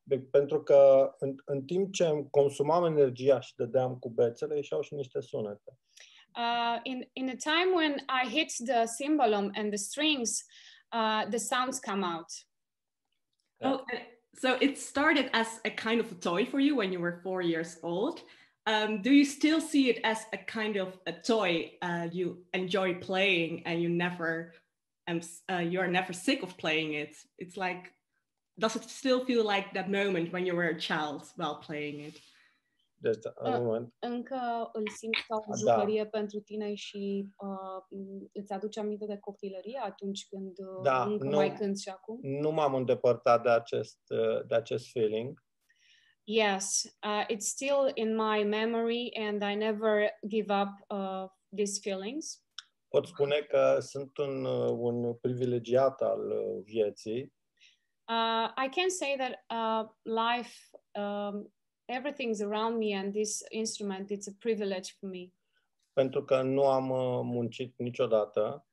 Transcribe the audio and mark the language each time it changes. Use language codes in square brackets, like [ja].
[ro] Pentru că în timp ce consumam energia și dădeam cu bețele, ieșeau și niște sunete. [en] In the time when I hit the cymbalum and the strings, the sounds come out. Yeah. Oh, so it started as a kind of a toy for you when you were 4 years old. Do you still see it as a kind of a toy you enjoy playing and you never, you are never sick of playing it? It's like, does it still feel like that moment when you were a child while playing it? [ro] Încă îl simți ca o jucărie pentru tine și îți aduce aminte de copilărie atunci când mai cânti și acum? Nu m-am îndepărtat de acest feeling. [en] Yes, it's still in my memory and I never give up these feelings. [ro] Pot spune că sunt un privilegiat al vieții. [en] I can say that life... everything's around me and this instrument, it's a privilege for me. [ro] Pentru că nu am muncit niciodată.